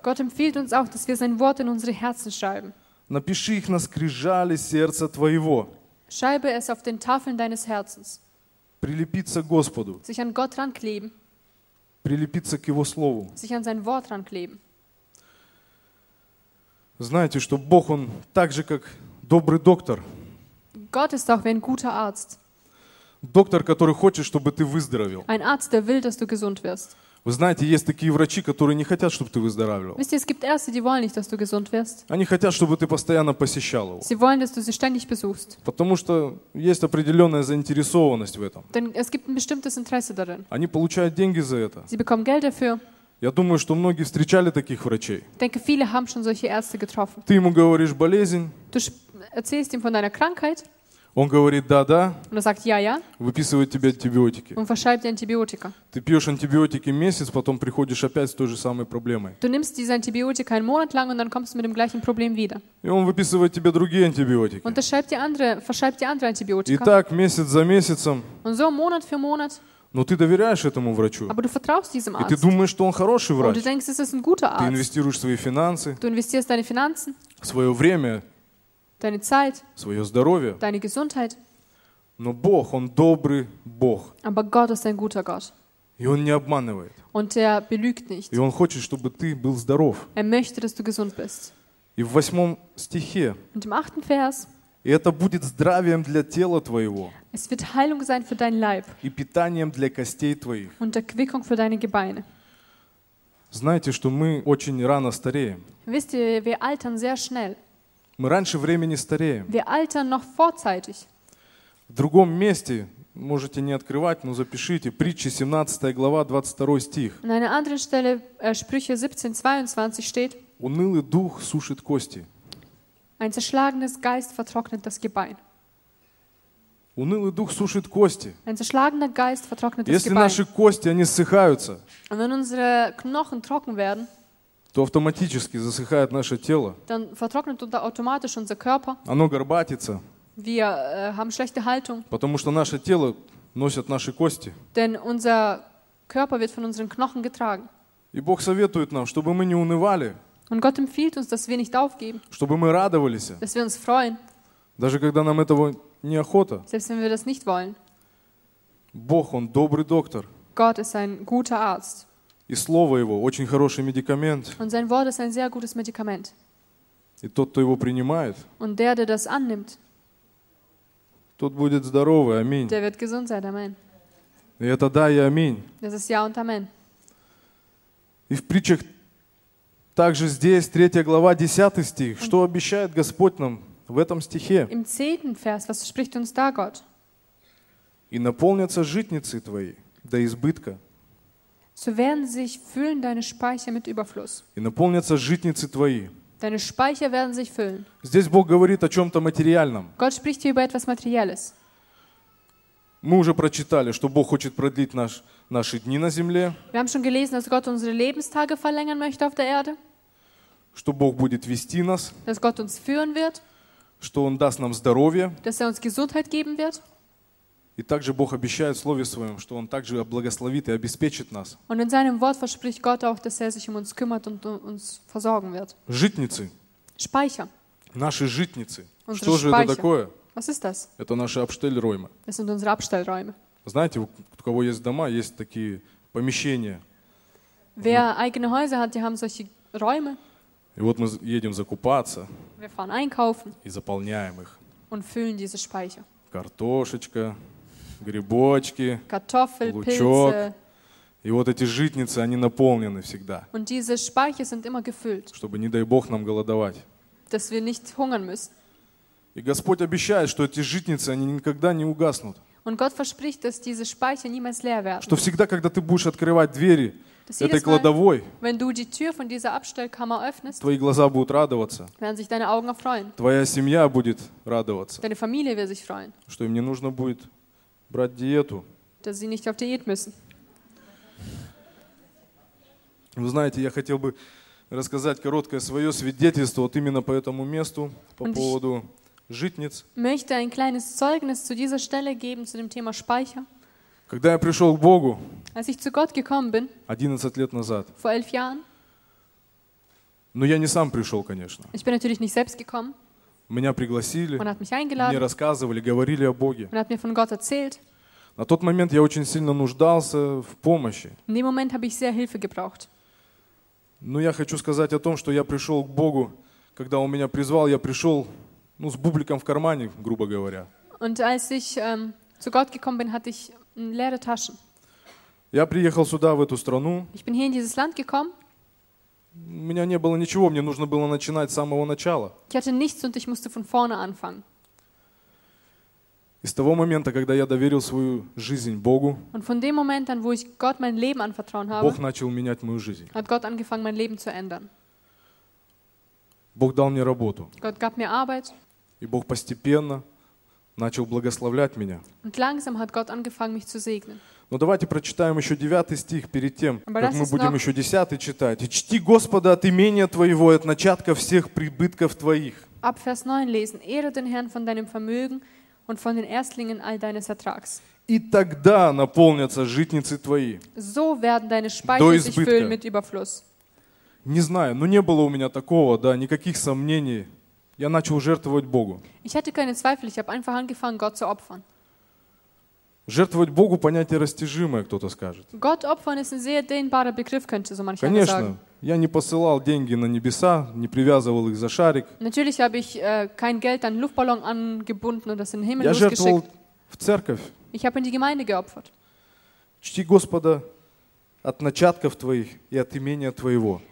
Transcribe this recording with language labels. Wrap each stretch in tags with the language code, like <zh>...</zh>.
<de>Gott empfiehlt uns auch, dass wir sein Wort in unsere Herzen schreiben.</de> <ru>Напиши их на скрижали сердца твоего.</ru> <de>Schreibe es auf den Tafeln deines Herzens.</de> <ru>Прилепиться к Господу.</ru> <de>Sich an Gott rankleben.</de> <ru>Прилепиться к Его Слову.</ru> <de>Sich an sein Wort rankleben.</de> <ru>Знаете, что Бог, Он так же, как добрый доктор.</ru> <de>Gott ist auch wie ein guter Arzt.</de> <ru>Доктор, который хочет, чтобы ты выздоровел.</ru> <de>Ein Arzt, der will, dass du gesund wirst.</de> <ru>Вы знаете, есть такие врачи, которые не хотят, чтобы ты выздоравливал.</ru> <de>Wisst ihr, es gibt Ärzte, die wollen nicht, dass du gesund wirst.</de> <ru>Они хотят, чтобы ты постоянно посещал его.</ru> <de>Sie wollen, dass du sie ständig besuchst.</de> <ru>Потому что есть определенная заинтересованность в этом.</ru> <de>Denn es gibt ein bestimmtes Interesse darin.</de> <ru>Они получают деньги за это.</ru> <de>Sie bekommen Geld dafür.</de> <ru>Я думаю, что многие встречали таких врачей.</ru> <de>Denke, viele haben schon solche Ärzte getroffen.</de> <ru>Ты ему говоришь болезнь.</ru> <de>Du erzählst ihm von deiner Krankheit.</de> <ru>Он говорит да-да. Он</ru> <de>sagt ja-ja.</de> <ru>Выписывает тебе антибиотики. Он</ru> <de>verschreibt dir Antibiotika.</de> <ru>Ты пьешь антибиотики месяц, потом приходишь опять с той же самой проблемой.</ru> <de>Du nimmst diese Antibiotika einen Monat lang und dann kommst du mit dem gleichen Problem wieder.</de> <ru>И он выписывает тебе другие антибиотики.</ru> <de>Und verschreibt dir andere Antibiotika.</de> <ru>И так месяц за месяцем.</ru> <de>Und so Monat für Monat.</de> <ru>Но ты доверяешь этому врачу.</ru> <de>Aber du vertraust diesem Arzt.</de> <ru>И ты думаешь, что он хороший врач.</ru> <de>Und du denkst, es ist ein guter Arzt.</de> <ru>Ты инвестируешь свои финансы.</ru> <de>Du investierst deine Finanzen.</de> <ru>Свое время.</ru> <de>Deine Zeit,</de> <ru>свое здоровье,</ru> <de>deine Gesundheit.</de> <ru>Но Бог, Он добрый Бог.</ru> <de>Aber Gott ist ein guter Gott.</de> <ru>И Он не обманывает.</ru> <de>Und er belügt nicht.</de> <ru>И Он хочет, чтобы ты был здоров.</ru> <de>Er möchte, dass du gesund bist.</de> <ru>И в 8 стихе.</ru> <de>Und im 8. Vers.</de> <ru>И это будет здравием для тела твоего.</ru> <de>Es wird Heilung sein für dein Leib.</de> <ru>И питанием для костей твоих.</ru> <de>Und Erquickung für deine Gebeine.</de> <ru>Знаете, что мы очень рано стареем.</ru> <de>Wisst ihr, wir altern sehr schnell.</de> <ru>Мы раньше времени стареем.</ru> <de>Wir altern noch vorzeitig.</de> <ru>В другом месте, можете не открывать, но запишите, притчи 17 глава, 22 стих.</ru> <de>An einer anderen Stelle, Sprüche 17, 22 steht.</de> <ru>Унылый дух сушит кости.</ru> <de>Ein zerschlagenes Geist vertrocknet das Gebein.</de> <ru>Унылый дух сушит кости.</ru> <de>Ein zerschlagener Geist vertrocknet das Gebein.</de> <ru>Если наши кости, они ссыхаются.</ru> <de>Und wenn unsere Knochen trocken werden,</de> <ru>то автоматически засыхает наше тело.</ru> <de>Dann vertrocknet unser automatisch unser Körper.</de> <ru>Оно горбатится.</ru> <de>Wir haben schlechte Haltung.</de> <ru>Потому что наше тело носят наши кости.</ru> <de>Denn unser Körper wird von unseren Knochen getragen.</de> <ru>И Бог советует нам, чтобы мы не унывали.</ru> <de>Und Gott empfiehlt uns, dass wir nicht aufgeben.</de> <ru>Чтобы мы радовались.</ru> <de>Dass wir uns freuen.</de> <ru>Даже когда нам этого неохота.</ru> <de>Selbst wenn wir das nicht wollen.</de> <ru>Бог, Он добрый доктор.</ru> <de>Gott ist ein guter Arzt.</de> <ru>И Слово Его – очень хороший медикамент.</ru> <de>Und sein Wort ist ein sehr gutes Medikament.</de> <ru>И тот, кто его принимает,</ru> <de>Und der das annimmt,</de> <ru>тот будет здоровый, аминь.</ru> <de>Der wird gesund sein, amen.</de> <ru>И это да и аминь.</ru> <de>Das ist ja und amen.</de> <ru>И в притчах также здесь, 3 глава, 10 стих,</ru> <de>und</de> <ru>что обещает Господь нам в этом стихе?</ru> <de>Im 10. Vers, was spricht uns da Gott?</de> <ru>И наполнятся житницы твои до избытка.</ru> <de>So werden sich füllen deine Speicher mit Überfluss.</de> <ru>И наполнятся житницы твои.</ru> <de>Deine Speicher werden sich füllen.</de> <ru>Здесь Бог говорит о чем-то материальном.</ru> <de>Gott spricht hier über etwas Materielles.</de> <ru>Мы уже прочитали, что Бог хочет продлить наши дни на земле.</ru> <de>Wir haben schon gelesen, dass Gott unsere Lebenstage verlängern möchte auf der Erde.</de> <ru>Что Бог будет вести нас.</ru> <de>Dass Gott uns führen wird.</de> <ru>Что Он даст нам здоровье.</ru> <de>Dass er uns Gesundheit geben wird.</de> <ru>И также Бог обещает в Слове Своем, что Он также благословит и обеспечит нас.</ru> <de>Und in seinem Wort verspricht Gott auch, dass er sich um uns kümmert und uns versorgen wird.</de> <ru>Житницы.</ru> <de>Speicher.</de> <ru>Наши житницы.</ru> <de>Unsere</de> <ru>что</ru> <de>Speicher.</de> <ru>Же это такое?</ru> <de>Was ist das?</de> <ru>Это наши обштельräume.</ru> <de>Das sind unsere Abstellräume.</de> <ru>Знаете, у кого есть дома, есть такие помещения.</ru> <de>Wer eigene Häuser hat, die haben solche Räume.</de> <ru>И вот мы едем закупаться.</ru> <de>Wir fahren einkaufen.</de> <ru>И заполняем их.</ru> <de>Und füllen diese Speicher.</de> <ru>Картошечка. Грибочки,</ru> <de>Kartoffeln,</de> <ru>лучок.</ru> <de>Pilze.</de> <ru>И вот эти житницы, они наполнены всегда.</ru> <de>Und diese Speicher sind immer gefüllt,</de> <ru>чтобы, не дай Бог, нам голодовать.</ru> <de>Dass wir nicht hungern müssen.</de> <ru>И Господь обещает, что эти житницы, они никогда не угаснут.</ru> <de>Und Gott verspricht, dass diese Speicher niemals leer werden.</de> <ru>Что всегда, когда ты будешь открывать двери, этой кладовой,</ru> <de>wenn du die Tür von dieser Abstellkammer öffnest,</de> <ru>твои глаза будут радоваться,</ru> <de>werden sich deine Augen freuen,</de> <ru>твоя семья будет радоваться,</ru> <de>deine Familie wird sich freuen,</de> <ru>что им не нужно будет брать диету,</ru> <de>dass sie nicht auf Diät müssen.</de> <ru>Вы знаете, я хотел бы рассказать короткое свое свидетельство вот именно по этому месту, по поводу житниц.</ru> <de>Möchte ein kleines Zeugnis zu dieser Stelle geben, zu dem Thema Speicher.</de> <ru>Когда я пришел к Богу,</ru> <de>als ich zu Gott gekommen bin,</de> <ru>11 лет назад,</ru> <de>vor 11 Jahren,</de> <ru>но я не сам пришел, конечно.</ru> <de>Ich bin natürlich nicht selbst gekommen.</de> <ru>Меня пригласили,</ru> <de>man hat mich eingeladen,</de> <ru>мне рассказывали, говорили о Боге.</ru> <de>Man hat mir von Gott erzählt.</de> <ru>На тот момент я очень сильно нуждался в помощи.</ru> <de>In dem Moment habe ich sehr Hilfe gebraucht.</de> <ru>Но я хочу сказать о том, что я пришел к Богу, когда Он меня призвал, я пришел с бубликом в кармане, грубо говоря.</ru> <de>Und als ich zu Gott gekommen bin, hatte ich leere Taschen.</de> <ru>Я приехал сюда, в эту страну.</ru> <de>Ich bin hier in dieses Land gekommen.</de> <ru>У меня не было ничего, мне нужно было начинать с самого начала.</ru> <de>Ich hatte nichts und ich musste von vorne anfangen.</de> <ru>И с того момента, когда я доверил свою жизнь Богу,</ru> <de>und von dem Moment an, wo ich Gott mein Leben anvertrauen habe,</de> <ru>Бог начал менять мою жизнь.</ru> <de>Hat Gott angefangen, mein Leben zu ändern.</de> <ru>Бог дал мне работу.</ru> <de>Gott gab mir Arbeit.</de> <ru>И Бог постепенно начал благословлять меня.</ru> <de>Und langsam hat Gott angefangen, mich zu segnen.</de> <ru>Но давайте прочитаем еще 9 стих перед тем,</ru> <de>aber</de> <ru>как мы будем</ru> <de>noch...</de> <ru>еще 10 читать. «И чти Господа от имения твоего, от начатка всех прибытков твоих».</ru> <de>Ab Vers 9 lesen. Ehre den Herrn von deinem Vermögen und von den Erstlingen all deines Ertrags.</de> <ru>«И тогда наполнятся житницы твои».</ru> <de>So werden deine Speicher sich füllen mit Überfluss.</de> <ru>Не знаю, не было у меня такого, да, никаких сомнений. Я начал жертвовать Богу.</ru> <de>Ich hatte keine Zweifel, ich habe einfach angefangen, Gott zu opfern.</de> <ru>Жертвовать Богу понятие растяжимое, кто-то скажет.</ru> <de>Gott opfern ist ein sehr dehnbarer Begriff, könnte so manch einer sagen.</de> <ru>Конечно, я не посылал деньги на небеса, не привязывал их за шарик.</ru> <de>Natürlich habe ich kein Geld an Luftballon angebunden und das in den Himmel losgeschickt.</de> <ru>Я жертвовал в церковь.</ru> <de>Ich habe in die Gemeinde geopfert.</de> <ru>Чти Господа от начатков твоих и от имения твоего.</ru>